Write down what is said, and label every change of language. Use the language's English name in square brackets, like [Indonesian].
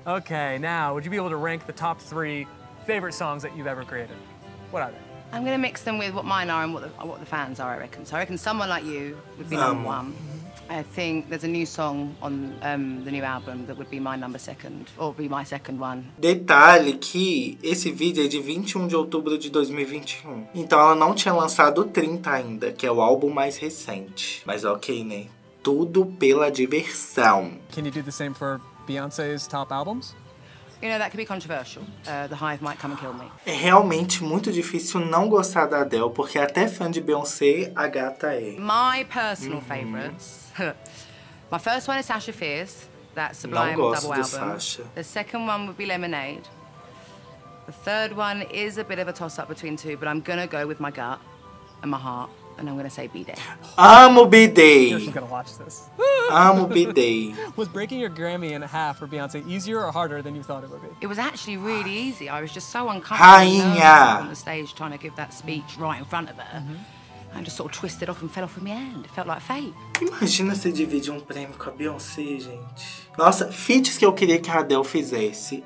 [English] Okay, now, would you be able to rank the top three favorite songs that you've ever created? What are they? I'm gonna mix them with what mine are and what the fans are, I reckon. So I reckon someone like you would be number one. I think there's a new song on the new album that would be my number second, or be my second one. [Portuguese] Detalhe que esse vídeo é de 21 de outubro de 2021. Então ela não tinha lançado o 30 ainda, que é o álbum mais recente. Mas ok, né? Tudo pela diversão. [English] Can you do the same for Beyoncé's top albums? You know, that could be controversial. The Hive might come and kill me. [Portuguese] É realmente muito difícil não gostar da Adele, porque até fã de Beyoncé, a gata é. [English] My personal favorites. My first one is Sasha Fierce. That's Sublime double [Portuguese] album. Não gosto de Sasha. [English] The second one would be Lemonade. The third one is a bit of a toss-up between two, but I'm gonna go with my gut and my heart. And I'm gonna say B-Day. [Portuguese] Amo B-Day! [English] You're gonna watch this. [Portuguese] Amo B-Day. [English] Was breaking your Grammy in half for Beyoncé easier or harder than you thought it would be? It was actually really easy. I was just so uncomfortable on the stage trying to give that speech right in front of her. Mm-hmm. I just sort of twisted off and fell off in my hand. It felt like fate. [Portuguese] Imagina você dividir prêmio com a Beyoncé, gente. Nossa, feats que eu queria que a Adele fizesse.